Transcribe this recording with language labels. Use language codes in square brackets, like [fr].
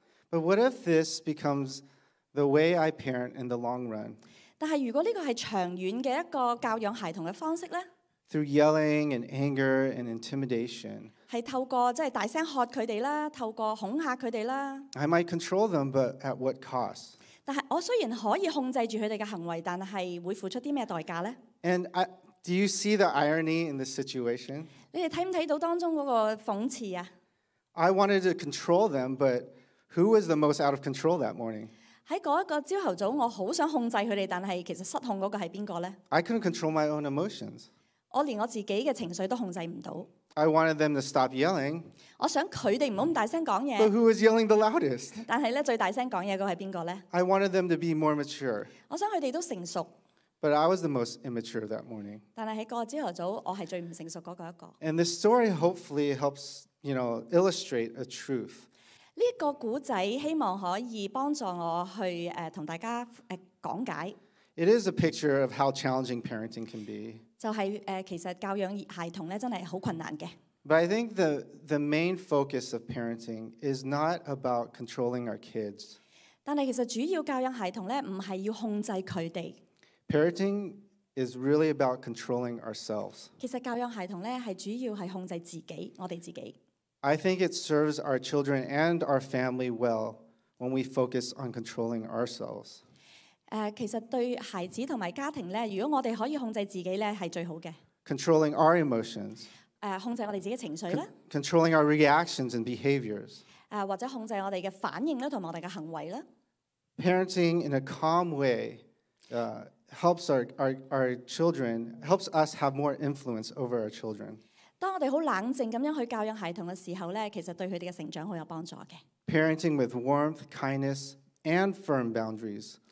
[en] But what if this becomes the way I parent in the long run? [yue] 但係如果呢個係長遠嘅一個教養孩童嘅方式咧 [en] ？Through yelling and anger and intimidation. [yue] 係透過即係大聲喝佢哋啦，透過恐嚇佢哋啦。 [en] I might control them, but at what cost? [yue] 但系我虽然可以控制住佢哋嘅行为，但系会付出啲咩代价咧 [en] ？And do you see the irony in this situation？ [yue] 你哋睇唔睇到当中嗰个讽刺啊 [en] ？I wanted to control them, but who was the most out of control that morning？ [yue] 喺嗰一个朝头早，我好想控制佢哋，但系其实失控嗰个系边个咧 [en] ？I couldn't control my own emotions。 [yue] 我连我自己嘅情绪都控制唔到。 [en] I wanted them to stop yelling. [yue] 我想佢哋唔好咁大声讲嘢。 [en] But who was yelling the loudest? [yue] 但系咧最大声讲嘢嗰系边个咧 [en] ？I wanted them to be more mature. [yue] 我想佢哋都成熟。 [en] But I was the most immature that morning. [yue] 但系喺嗰个朝头早，我系最唔成熟嗰个一个。 [en] And this story hopefully helps, you know, illustrate a truth. [yue] 呢个故仔希望可以帮助我去同大家讲解。 [en] It is a picture of how challenging parenting can be. [yue] 就係其實教養孩童咧，真係好困難嘅。 [en] But I think the main focus of parenting is not about controlling our kids. [yue] 但係其實主要教養孩童咧，唔係要控制佢哋。 [en] Parenting is really about controlling ourselves. [yue] 其實教養孩童咧，係主要係控制自己，我哋自己。 [en] I think it serves our children and our family well when we focus on controlling ourselves. [yue] 其實對孩子同埋家庭咧，如果我哋可以控制自己咧，係最好嘅。 [en] Controlling our emotions。 [yue] 控制我哋自己情緒啦。 [en] Controlling our reactions and behaviors。 [yue] 或者控制我哋嘅反應啦，同埋我哋嘅行為啦。 [en] Parenting in a calm way, helps our children, helps us have more influence over our children。 [yue] 當我哋好冷靜咁樣去教養孩童嘅時候咧，其實對佢哋嘅成長好有幫助嘅。 [en] Parenting with warmth, kindness, and firm boundaries.